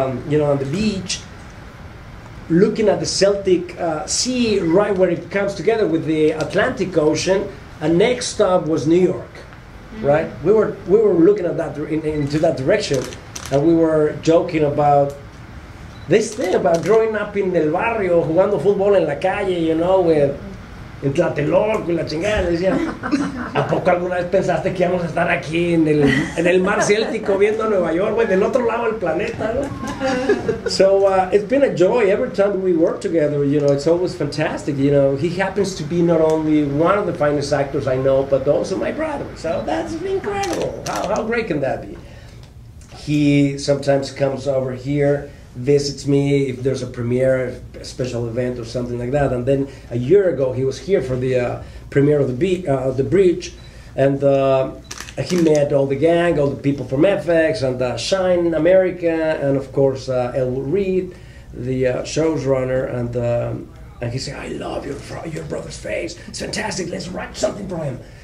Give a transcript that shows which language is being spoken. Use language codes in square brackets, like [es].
[en] You know, on the beach, looking at the Celtic Sea, right where it comes together with the Atlantic Ocean, and next stop was New York, right? We were looking at that into that direction, and we were joking about this thing about growing up in el barrio, jugando fútbol en la calle, you know, with en Tlatelolco y la chingada. [es] Decía, ¿a poco alguna vez pensaste que íbamos a estar aquí en el mar Céltico viendo Nueva York, güey, del otro lado del planeta, ¿no? [en] So it's been a joy every time we work together. You know, it's always fantastic. You know, he happens to be not only one of the finest actors I know, but also my brother. So that's incredible. How great can that be? He sometimes comes over here, visits me if there's a premiere, a special event or something like that. And then a year ago he was here for the premiere of the Breach, and he met all the gang, all the people from FX and Shine America, and of course Elwood Reed, the show's runner, and he said, I love your brother's face, it's fantastic, let's write something for him.